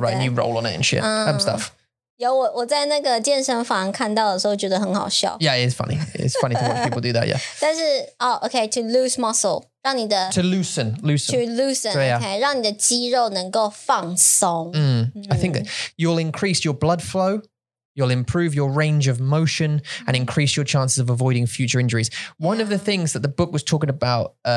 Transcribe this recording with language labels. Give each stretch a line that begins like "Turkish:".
English: Right and you roll on it and shit stuff
Chinese: 有我在那个健身房看到的时候觉得很好笑
English: Yeah, it's funny. It's funny to watch people do that, yeah.
Chinese: 但是,
English: oh, okay, to lose muscle,
Chinese: 让你的...
English: To loosen, To loosen, okay,
Chinese: 让你的肌肉能够放松
English: I think that you'll increase your blood flow, you'll improve your range of motion, and increase your chances of avoiding future injuries. One of the things that the book was talking about,